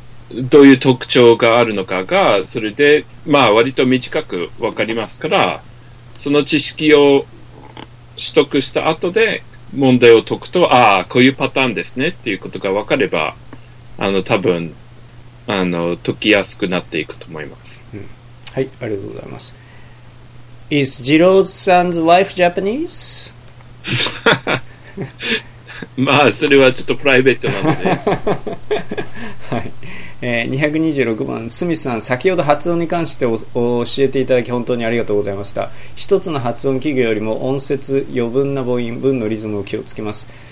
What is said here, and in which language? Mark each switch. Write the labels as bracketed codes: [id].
[ja] うん、どういう特徴があるのかが、それでまあ割と短く分かりますから、その知識を取得した後で問題を解くと、ああこういうパターンですねっていうことが分かれば、あの多分あの解きやすくなっていくと思います、うん、はい、ありがとうございます。 [en] Is Jiro's son's wife Japanese? [ja] まあそれはちょっとプライベートなので。はい、226番スミスさん、先ほど発音に関して教えていただき本当にありがとうございました。一つの発音記号よりも音節、余分な母音、文のリズムを気をつけます。